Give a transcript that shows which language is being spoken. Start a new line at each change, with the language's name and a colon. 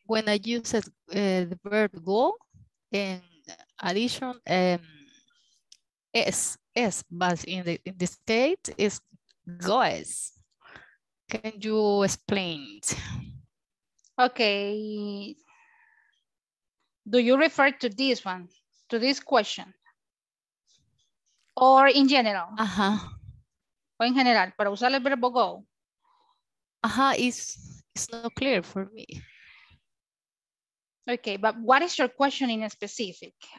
English: When I use the verb go in addition, S, but in this case, it's goes. Can you explain it? Okay. Do you refer to this one, to this question? Or in general? Uh-huh.
Spanish: O en general, para usar el verbo go.
English: Uh-huh, it's not clear for me. Okay, but what is your question in specific?